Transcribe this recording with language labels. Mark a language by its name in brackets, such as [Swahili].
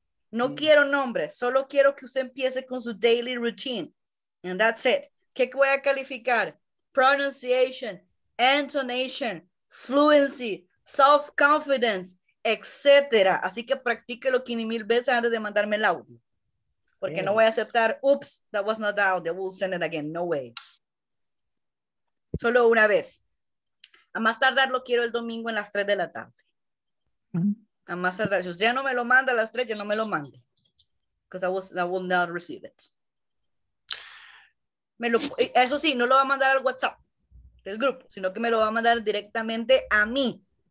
[Spanish] No quiero nombre, solo quiero que usted empiece con su [English] daily routine. And that's it. [Spanish] ¿Qué voy a calificar? [English] Pronunciation, intonation, fluency, self-confidence, etcétera. [Spanish] Así que practíquelo 500,000 veces antes de mandarme el audio. Porque no voy a aceptar, [English] oops, that was not the audio, we'll send it again, no way. [Spanish] Solo una vez. A más tardar lo quiero el domingo en las 3 de la tarde. A más tardar, si usted ya no me lo manda a las 3, ya no me lo mande. [English] Because I will not receive it. [Spanish] Eso sí, no lo va a mandar al WhatsApp del grupo, sino que me lo va a mandar directamente a mí.